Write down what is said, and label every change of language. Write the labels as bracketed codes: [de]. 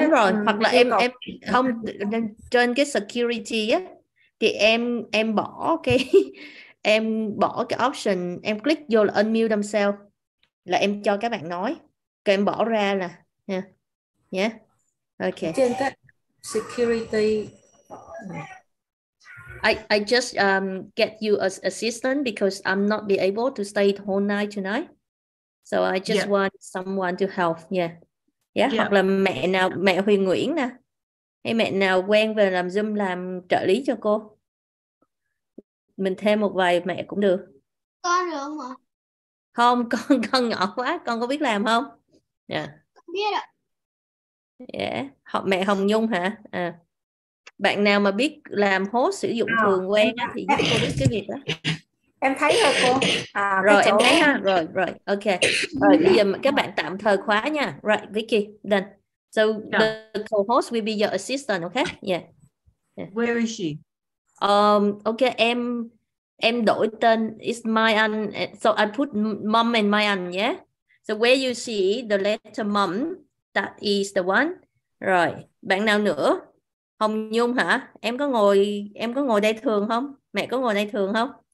[vi] đúng rồi, hoặc là em không trên cái security á thì em bỏ cái em bỏ cái option, em click vô là [en] unmute themselves [vi] là em cho các bạn nói, cái em bỏ ra là nha. [en] Okay, [vi] trên cái security [en] I just get you as assistant because I'm not be able to stay the whole night tonight, so I just want someone to help. [vi] Hoặc là mẹ nào, mẹ Huyền Nguyễn nè, hay mẹ nào quen về làm Zoom làm trợ lý cho cô, mình thêm một vài mẹ cũng được. Con được mà. Không, con nhỏ quá, con có biết làm không? Dạ. Yeah. Biết ạ. Yeah. Mẹ Hồng Nhung hả? À. Bạn nào mà biết làm host sử dụng thường quen đó, thì giúp cô biết cái việc đó. Em thấy rồi cô. À, rồi em thấy ha. Rồi rồi. Ok. Rồi bây giờ các bạn tạm thời khóa nha. [en] Right, Vicki. Done. So the co-host will be your assistant, okay? Yeah. Yeah. Where is she? [vi] Okay, em đổi tên. [en] It's my aunt. So I put mom and my aunt, yeah? So where you see the letter mom, that is the one. [vi] Rồi, bạn nào nữa? Hồng Nhung hả? Em có ngồi đây thường không? Mẹ có ngồi đây thường không?